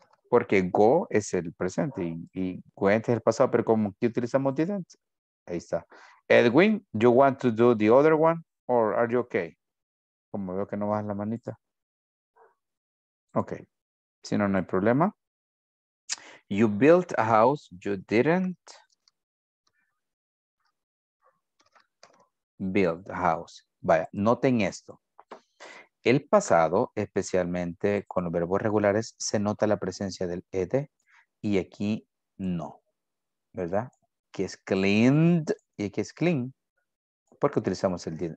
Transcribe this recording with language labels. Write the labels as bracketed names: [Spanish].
[Spanish] Porque go es el presente y went es el pasado, pero como que utilizamos didn't. Ahí está. [English] Edwin, you want to do the other one or are you okay? [Spanish] Como veo que no bajas la manita. Okay. Si no, no hay problema. [English] You built a house, you didn't build a house. [Spanish] Vaya, noten esto. El pasado, especialmente con los verbos regulares, se nota la presencia del ed y aquí no, ¿verdad? Aquí es cleaned y aquí es clean, porque utilizamos el did.